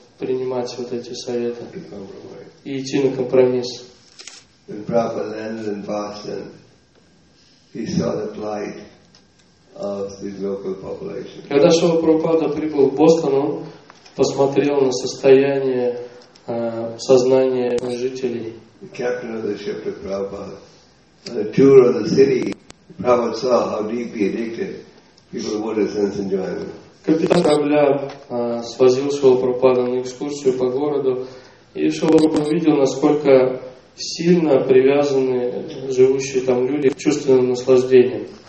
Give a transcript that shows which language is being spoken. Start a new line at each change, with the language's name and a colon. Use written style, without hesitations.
Russian: принимать вот эти советы и идти на компромисс.
English: When Prabhupada landed in Boston, he saw the plight of the local population.
Russian: Когда Шрила Прабхупада прибыл в Бостон, он посмотрел на состояние сознания жителей.
English: The captain of the ship took Prabhupada on a tour of the city. Prabhupada saw how deeply addicted people were to sense enjoyment.
Russian: Капитан корабля свозил Шрила Прабхупада на экскурсию по городу, и Шрила Прабхупада увидел, насколько сильно привязаны живущие там люди к чувственным наслаждениям.